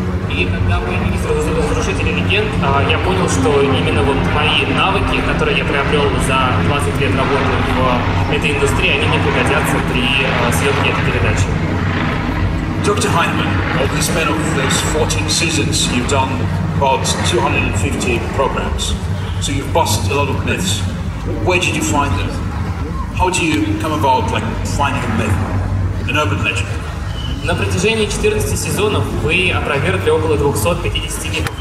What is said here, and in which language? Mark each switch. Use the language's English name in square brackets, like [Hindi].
[Russian] И когда появились разрушители легенд, я понял, что именно вот мои навыки, которые я приобрел за 20 лет работы в этой индустрии, они мне пригодятся при съемке этой передачи. [English] Доктор Хайнман, over the span of those 14 seasons, you've done about 250 programs, so you've busted a lot of myths. Where did you find them? How do you come about like finding a myth, an urban legend? [Russian] На протяжении 14 сезонов вы опровергли около 250 мифов.